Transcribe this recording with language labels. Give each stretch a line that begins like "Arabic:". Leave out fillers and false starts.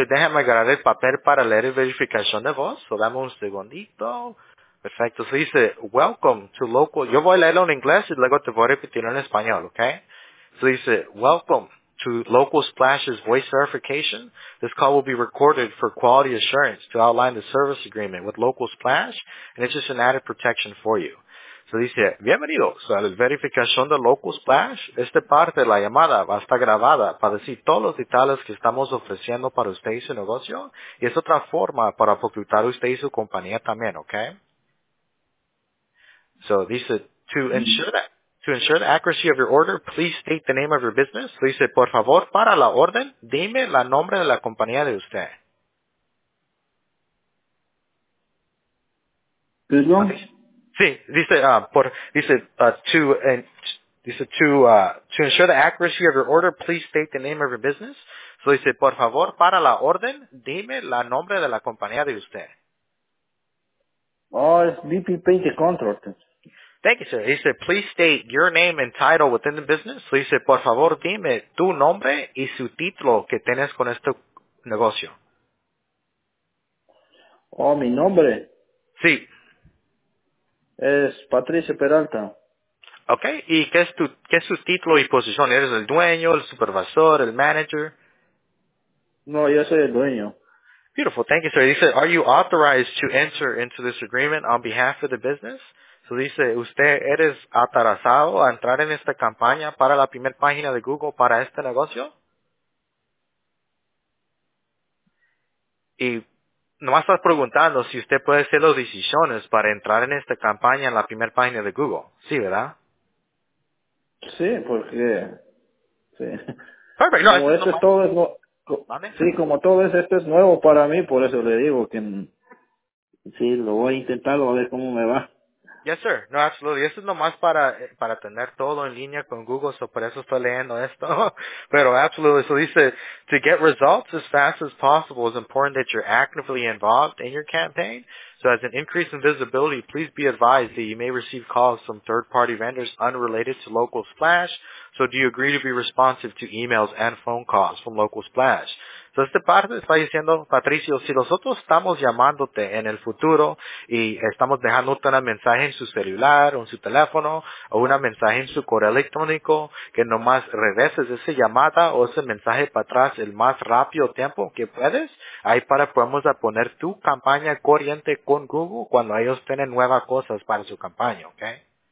Spanish: Y déjame agarrar el papel para leer la verificación de voz. So dame un segundito. Perfecto. So dice,
English: welcome to local.
Spanish: Yo voy a leerlo en inglés y luego te voy a repetirlo en español, ¿ok? So dice,
English: welcome to Local Splash's voice verification. This call will be recorded for quality assurance to outline the service agreement with Local Splash, and it's just an added protection for you.
Spanish: So dice, bienvenidos a la verificación de Local Splash. Esta parte de la llamada va a estar grabada para decir todos los detalles que estamos ofreciendo para usted y su negocio, y es otra forma para facultar usted y su compañía también, okay? So dice,
English: To ensure the accuracy of your order, please state the name of your business.
Spanish: So dice, por favor, para la orden, dime la nombre de la compañía de usted. Perdón. Sí,
English: to ensure the accuracy of your order, please state the name of your business.
Spanish: So dice, por favor, para la orden, dime la nombre de la compañía de usted.
English: Oh, it's BP Paint Contractors. Thank you, sir. He said, please state your name and title within the business. So he said,
Spanish: por favor, dime tu nombre y su título que tienes con este negocio. Oh, mi nombre. Sí. Es Patricio Peralta. Okay. ¿Y qué es su título y posición? ¿Eres el dueño, el supervisor, el manager? No, yo soy el dueño.
English: Beautiful. Thank you, sir. He said, are you authorized to enter into this agreement on behalf of the business?
Spanish: So dice, ¿usted eres autorizado a entrar en esta campaña para la primera página de Google para este negocio? Y nomás estás preguntando si usted puede hacer las decisiones para entrar en esta campaña en la primera página de Google. Sí, ¿verdad? Sí, porque... Sí. Perfecto. No, como todo es, esto es nuevo para mí, por eso le digo que... Sí, lo voy a intentar, a ver cómo me va.
English: Yes, sir. No, absolutely.
Spanish: Esto es nomás para tener todo en línea con Google, so por eso estoy leyendo esto. Pero absolutely. So dice,
English: to get results as fast as possible, it's important that you're actively involved in your campaign. So as an increase in visibility, please be advised that you may receive calls from third-party vendors unrelated to Local Splash. So do you agree to be responsive to emails and phone calls from Local Splash?
Spanish: So este parte está diciendo, Patricio, si nosotros estamos llamándote en el futuro y estamos dejándote un mensaje en su celular o en su teléfono o un mensaje en su correo electrónico, que nomás regreses esa llamada o ese mensaje para atrás el más rápido tiempo que puedes, ahí para podemos poner tu campaña corriente con Google cuando ellos tienen nuevas cosas para su campaña, ¿ok?